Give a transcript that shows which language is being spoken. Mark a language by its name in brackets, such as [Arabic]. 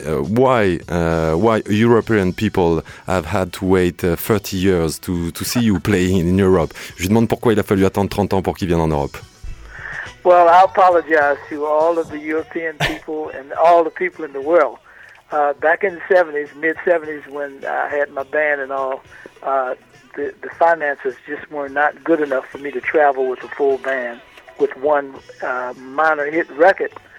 [English] Why European people have had to wait 30 years to see you playing in Europe? [French] Je lui demande pourquoi il a fallu attendre 30 ans pour qu'il vienne en Europe. [English] Well, I apologize to all of the European people and all the people in the world. Back in the 70s, mid-70s, when I had my band and all, the finances just were not good enough for me to travel with a full band with one minor hit record.